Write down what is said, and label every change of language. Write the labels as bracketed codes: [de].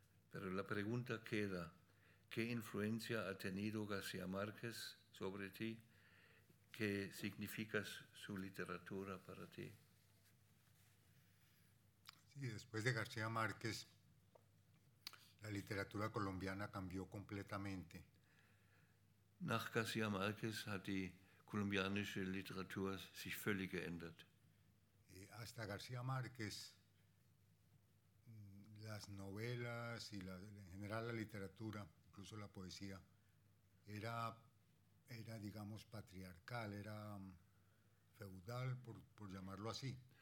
[es] Pero la pregunta queda, ¿qué influencia ha tenido García Márquez sobre ti? ¿Qué significa su literatura para ti? Sí, después de García Márquez, la literatura colombiana cambió completamente. [de] Nach García Márquez hat die kolumbianische Literatur sich völlig geändert. [es] Y hasta García Márquez, las novelas y en general la literatura, incluso la poesía, era digamos patriarcal, era feudal, por llamarlo así.